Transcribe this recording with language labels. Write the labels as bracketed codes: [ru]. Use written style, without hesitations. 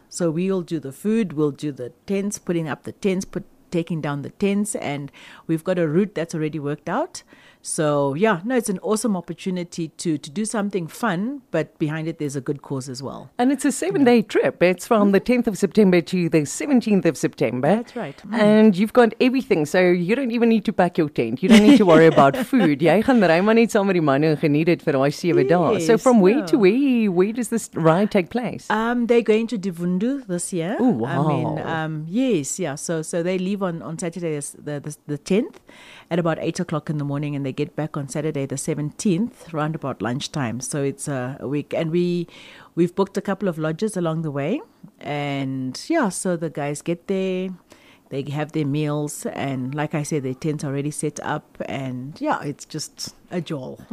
[en] So we will do the food, we'll do the tents, putting up the tents, taking down the tents, and we've got a route that's already worked out. So yeah, no, it's an awesome opportunity to do something fun, but behind it there's a good cause as well. And it's a 7-day trip. It's from the 10th of September to the 17th of September. That's right. Mm. And you've got everything, so you don't even need to pack your tent. You don't need to worry about food. [af] Jy gaan ry maar net saam met die manne en geniet dit vir daai 7 dae. [en] So from where to where does this ride take place? They're going to Divundu this year. Oh wow. I mean, yes, yeah. So they leave on Saturday the 10th at about 8 o'clock in the morning, and they get back on Saturday the 17th around about lunchtime. So it's a week, and we've booked a couple of lodges along the way, and yeah, so the guys get there, they have their meals, and like I said, their tents already set up, and yeah, it's just a jol.